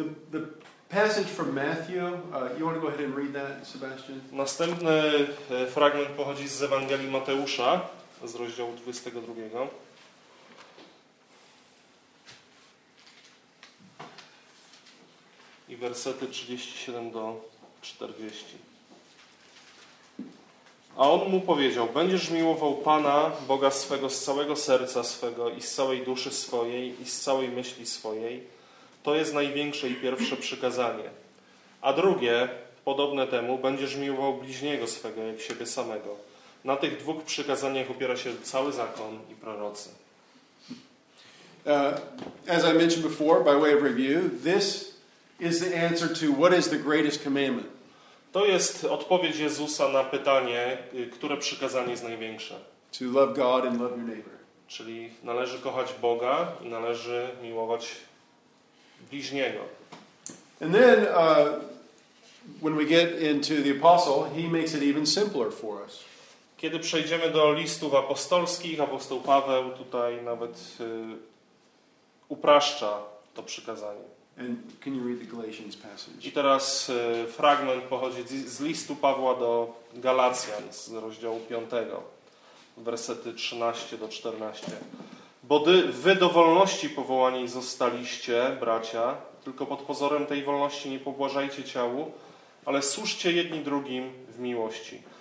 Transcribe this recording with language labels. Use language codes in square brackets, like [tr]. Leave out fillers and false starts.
[en] The passage from Matthew, you want to go ahead and read that, Sebastian? [pl] Następny fragment pochodzi z Ewangelii Mateusza, z rozdziału 22. I wersety 37 do 40. A on mu powiedział: będziesz miłował Pana, Boga swego, z całego serca swego i z całej duszy swojej i z całej myśli swojej. To jest największe i pierwsze przykazanie. A drugie, podobne temu, będziesz miłował bliźniego swego jak siebie samego. Na tych dwóch przykazaniach opiera się cały zakon i prorocy. [en] As I mentioned before, by way of review, this is the answer to what is the greatest commandment. [pl] To jest odpowiedź Jezusa na pytanie, które przykazanie jest największe. [en] To love God and love your neighbor. [pl] Czyli należy kochać Boga i należy miłować bliźniego. [en] And then when we get into the apostle, he makes it even simpler for us. [pl] Kiedy przejdziemy do listów apostolskich, apostoł Paweł tutaj nawet upraszcza to przykazanie. [en] And can you read the Galatians passage? [pl] I teraz fragment pochodzi z listu Pawła do Galacjan z rozdziału 5, wersety 13 do 14. Bo wy do wolności powołani zostaliście, bracia, tylko pod pozorem tej wolności nie pobłażajcie ciału, ale służcie jedni drugim w miłości.